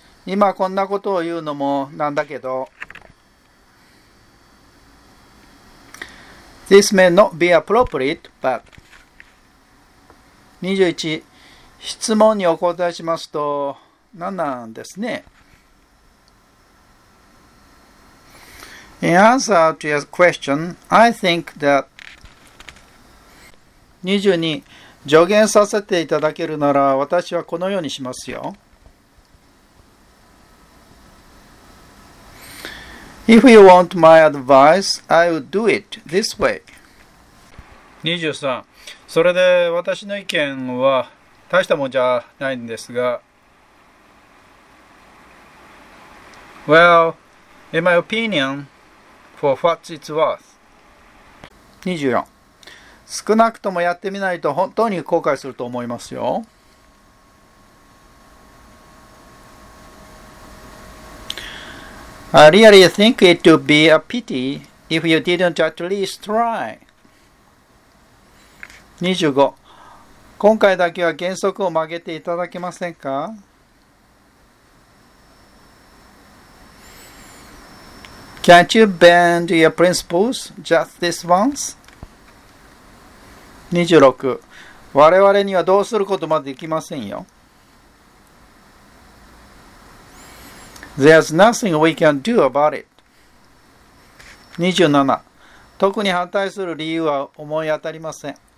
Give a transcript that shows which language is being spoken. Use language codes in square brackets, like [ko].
[ja] 今こんなことを言うのもなんだけど。 [en] This may not be appropriate, but... 21. [ja] 質問にお答えしますと、何なんですね。 [en] In answer to your question, I think that... 22. [ja] 助言させていただけるなら私はこのようにしますよ。 [en] If you want my advice, I will do it this way. 23. [ja] それで私の意見は大したもんじゃないんですが。 [en] Well, in my opinion, for what it's worth. 24. [ja] 少なくともやってみないと本当に後悔すると思いますよ。 [en] I really think it would be a pity if you didn't at least try. 25. [ja] 今回だけは原則を曲げていただけませんか? [en] Can't you bend your principles just this once? 26. [ja] 我々にはどうすることもできませんよ。 [en] There's nothing we can do about it. 27. [ja] 特に反対する理由は思い当たりません。